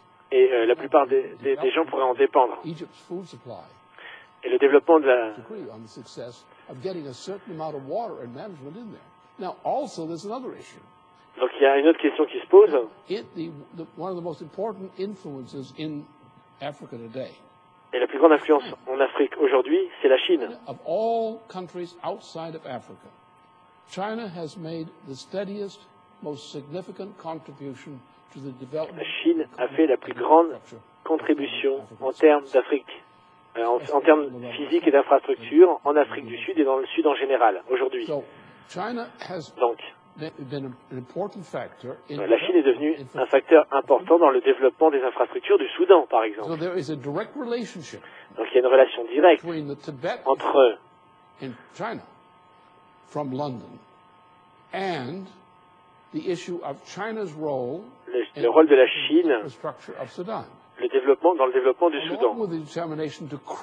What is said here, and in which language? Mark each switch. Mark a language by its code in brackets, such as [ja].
[fr] Et la plupart des gens pourraient en dépendre. Et le développement Donc il y a une autre question qui se pose. Et la plus grande influence en Afrique aujourd'hui, c'est la Chine. [en] Of all countries outside of Africa, China has made the steadiest, most significant contribution to the development. [fr] La Chine a fait la plus grande contribution en termes d'Afrique, en termes physiques et d'infrastructures en Afrique du Sud et dans le Sud en général aujourd'hui. Donc, la Chine est devenue un facteur important dans le développement des infrastructures du Soudan, par exemple. Donc il y a une relation directe entre [en] China, from London, and the issue of China's role, [fr] le rôle de la Chine, le développement dans le développement du Soudan.